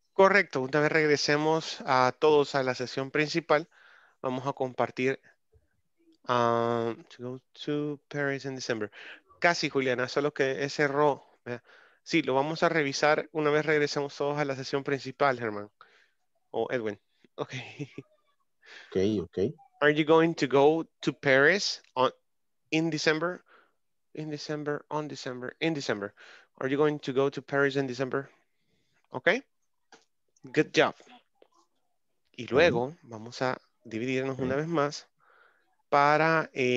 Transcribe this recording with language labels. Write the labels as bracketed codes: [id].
[es] Correcto. Una vez regresemos a todos a la sesión principal, vamos a compartir [en] to go to Paris in December. [es] Casi, Juliana, solo que ese error. Sí, lo vamos a revisar una vez regresemos todos a la sesión principal, Germán. Edwin. Ok. Ok. [en] Are you going to go to Paris in December? Are you going to go to Paris in December? Ok. Good job. [es] Y luego vamos a dividirnos una vez más para